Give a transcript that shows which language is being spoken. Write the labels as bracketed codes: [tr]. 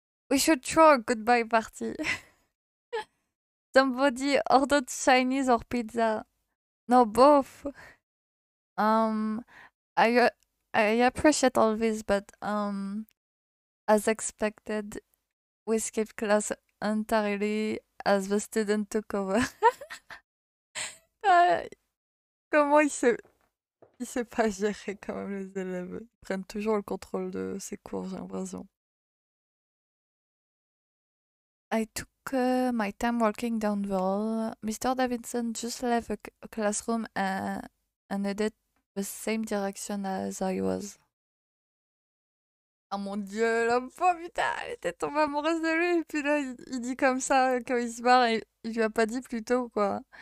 [en] We should throw a goodbye party. Somebody ordered Chinese or pizza. No, both. I appreciate all this, but as expected, we skipped class entirely as the student took over. [fr] comment il sait pas gérer quand même les élèves. Ils prennent toujours le contrôle de ses cours, j'ai l'impression. [en] I took my time walking down the hall. Mr. Davidson just left the classroom and headed the same direction as I was. [fr] Oh mon dieu, la pauvre putain, elle était tombée amoureuse de lui. Et puis là, il dit comme ça quand il se barre, il lui a pas dit plus tôt quoi.